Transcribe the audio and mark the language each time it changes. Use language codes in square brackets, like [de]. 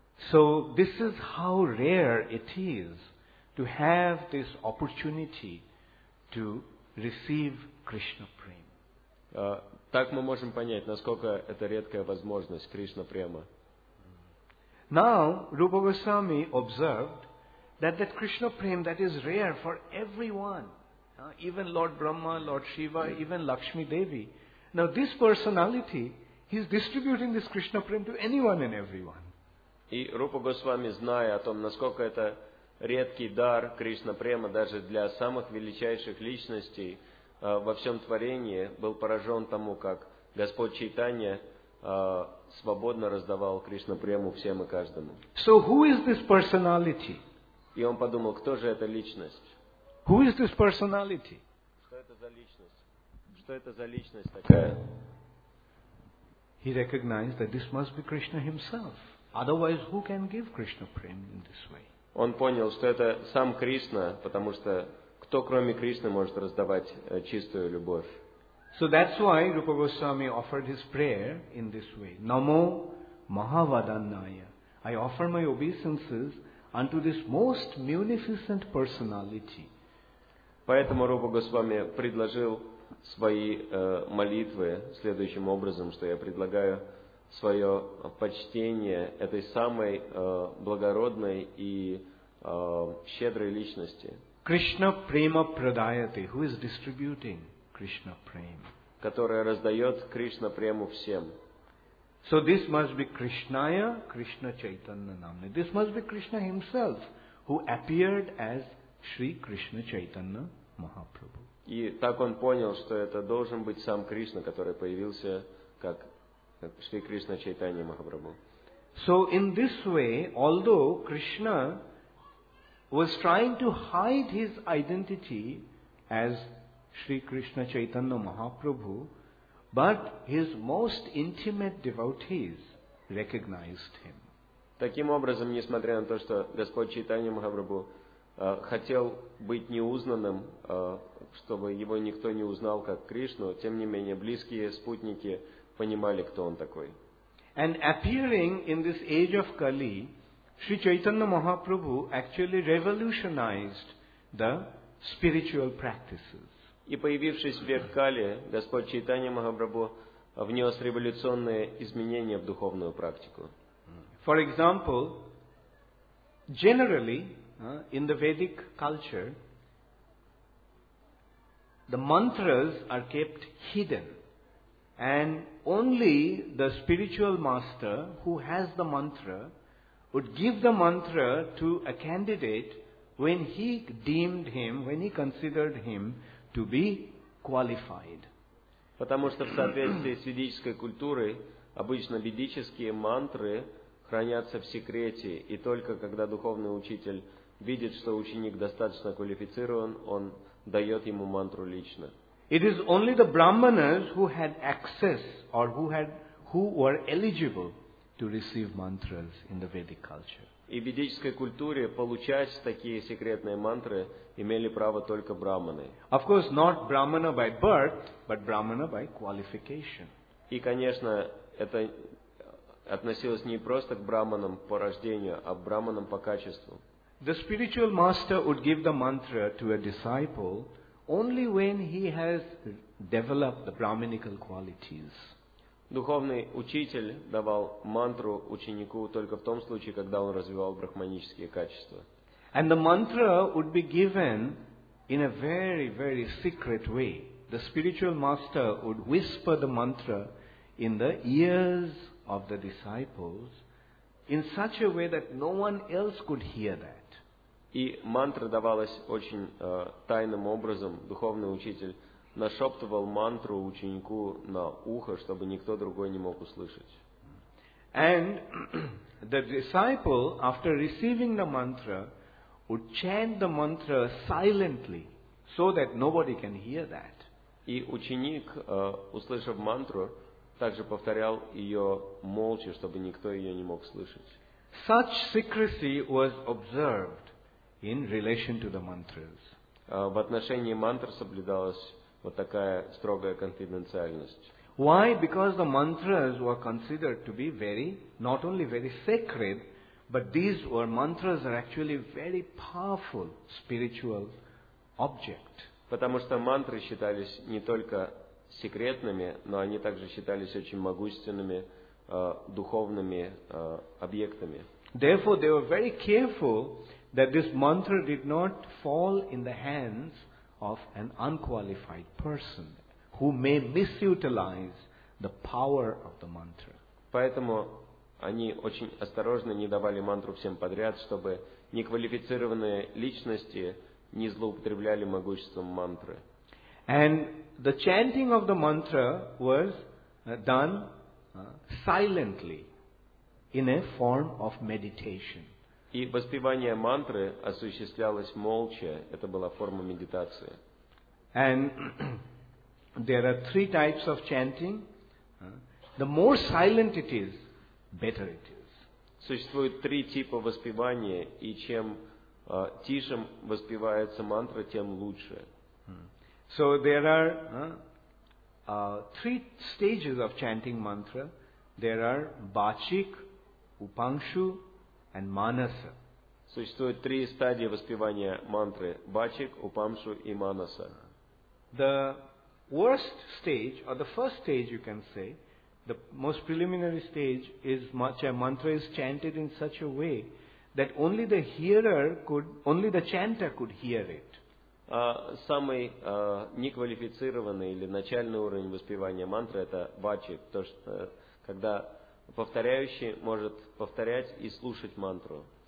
[en] So this is how rare it is to have this opportunity to receive Krishna prema. [ru] Так мы можем понять, насколько это редкая возможность Кришна према. [en] Now Rupa Goswami observed that Krishna prema that is rare for everyone, even Lord Brahma, Lord Shiva, even Lakshmi Devi. Now this personality, he is distributing this Krishna prema to anyone and everyone. [ru] И Рупа Госвами, зная о том, насколько это редкий дар Кришна Према даже для самых величайших личностей во всем творении, был поражен тому, как Господь Чайтанья свободно раздавал Кришна Прему всем и каждому. [en] So who is this personality? [ru] И он подумал, кто же эта личность? [en] Who is this personality? [ru] Что это за личность? Что это за личность такая? [en] He recognized that this must be Krishna himself. Otherwise, who can give Krishna prema in this way? [ru] Он понял, что это сам Кришна, потому что кто кроме Кришны может раздавать чистую любовь? [en] So that's why Rupa Goswami offered his prayer in this way: [sa] Namo Mahavadanaya. [en] I offer my obeisances unto this most munificent personality. [ru] Поэтому Рупа Госвами предложил свои молитвы следующим образом, что я предлагаю свое почтение этой самой благородной и щедрой личности. [sa] Krishna prema pradayate, [en] who is distributing Krishna prema, [ru] которая раздает Кришна прему всем. [en] So this must be Krishnaya, Krishna Chaitanya namne. This must be Krishna himself who appeared as Shri Krishna Chaitanya Mahaprabhu. [ru] И так он понял, что это должен быть сам Кришна, который появился как Шри Кришна Чайтанья Махапрабху. [en] So in this way, although Krishna was trying to hide his identity as Shri Krishna Chaitanya Mahaprabhu, but his most intimate devotees recognized him. [ru] Таким образом, несмотря на то, что Господь Чайтанья Махапрабху хотел быть неузнанным, чтобы его никто не узнал как Кришну, тем не менее близкие спутники понимали, кто он такой. [en] And appearing in this age of Kali, Sri Chaitanya Mahaprabhu actually revolutionized the spiritual practices. [ru] И появившись в век Кали, Господь Чайтанья Махапрабху внес революционные изменения в духовную практику. [en] For example, generally, in the Vedic culture, the mantras are kept hidden. And only the spiritual master who has the mantra would give the mantra to a candidate when he deemed him, when he considered him to be qualified. [ru] Потому что в соответствии с ведической культурой обычно ведические мантры хранятся в секрете, и только когда духовный учитель видит, что ученик достаточно квалифицирован, он дает ему мантру лично. [en] It is only the brahmanas who had access or who were eligible to receive mantras in the Vedic culture. [ru] И в ведической культуре получать такие секретные мантры имели право только брахманы. [en] Of course, not brahmana by birth, but brahmana by qualification. [ru] И, конечно, это относилось не просто к брахманам по рождению, а к брахманам по качеству. [en] The spiritual master would give the mantra to a disciple only when he has developed the brahminical qualities. [ru] Духовный учитель давал мантру ученику только в том случае, когда он развивал брахманические качества. [en] And the mantra would be given in a very, very secret way. The spiritual master would whisper the mantra in the ears of the disciples in such a way that no one else could hear that. [ru] И мантра давалась очень тайным образом. Духовный учитель нашептывал мантру ученику на ухо, чтобы никто другой не мог услышать. [en] And the disciple, after receiving the mantra, would chant the mantra silently, so that nobody can hear that. [ru] И ученик, услышав мантру, также повторял ее молча, чтобы никто ее не мог слышать. [en] Such secrecy was observed in relation to the mantras. [ru] В отношении мантр соблюдалось вот такая строгая конфиденциальность. [en] Why? Because the mantras were considered to be very, not only very sacred, but these were mantras are actually very powerful spiritual object. [ru] Потому что мантры считались не только секретными, но они также считались очень могущественными духовными объектами. [en] Therefore, they were very careful that this mantra did not fall in the hands of an unqualified person who may misutilize the power of the mantra. [ru] Поэтому они очень осторожно не давали мантру всем подряд, чтобы неквалифицированные личности не злоупотребляли могуществом мантры. [en] And the chanting of the mantra was done silently in a form of meditation. [ru] И воспевание мантры осуществлялось молча, это была форма медитации. [en] And there are three types of chanting. The more silent it is, better it is. [ru] Существует три типа воспевания, и чем тише воспевается мантра, тем лучше. [en] So there are three stages of chanting mantra. There are vachik, upangshu, and manasa. [ru] Существует три стадии воспевания мантры: бачик, упамшу и манаса. [en] The worst stage, or the first stage, you can say, the most preliminary stage is mantra is chanted in such a way that only the hearer could, only the chanter could hear it. [ru] Самый неквалифицированный или начальный уровень воспевания мантры это бачик, то что когда повторяющий может повторять и слушать мантру.